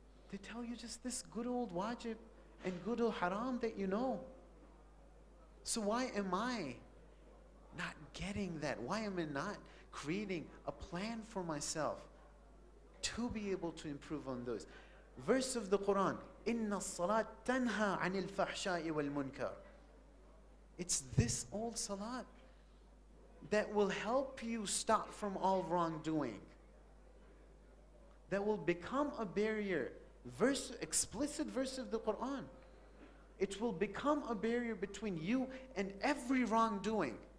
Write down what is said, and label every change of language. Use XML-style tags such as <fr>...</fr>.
<en>They tell you just this good old wajib and good old haram that you know. So why am I not getting that? Why am I not creating a plan for myself to be able to improve on those? Verse of the Quran,</en> <ar>إِنَّ الصَّلَاةَ تَنْهَى عَنِ الْفَحْشَاءِ وَالْمُنْكَرِ.</ar> <en>It's this old salat that will help you stop from all wrongdoing. That will become a barrier. Explicit verse of the Quran. It will become a barrier between you and every wrongdoing.</en>